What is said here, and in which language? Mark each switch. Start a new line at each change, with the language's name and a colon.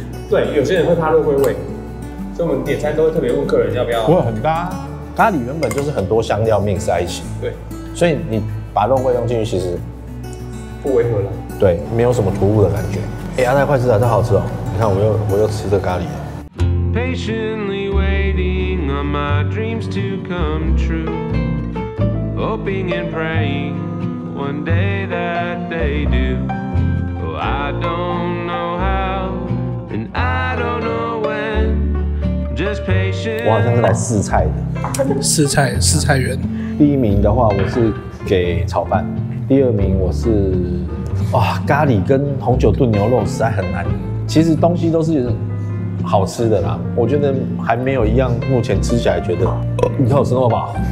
Chinese: 对，有些人会怕肉桂味，所以我们点餐都会特别问客人要不要。不会很搭，咖喱原本就是很多香料 mix 在一起。对，所以你把肉桂用进去，其实不违和了。对，没有什么突兀的感觉。哎、欸，阿泰快吃啊，这好吃哦、喔！你看我又吃这咖喱了。
English: Patiently waiting on my dreams to come true, hoping and praying one day that they do. Oh, I don't know how, and I don't know when. Just patient.
Chinese: 我好像是来试菜的，试菜员。第一名的话，我是给炒饭；第二名，我是哇、哦，咖喱跟红酒炖牛肉实在很难。其实东西都是。好吃的啦，我觉得还没有一样目前吃起来觉得你看我吃那么饱。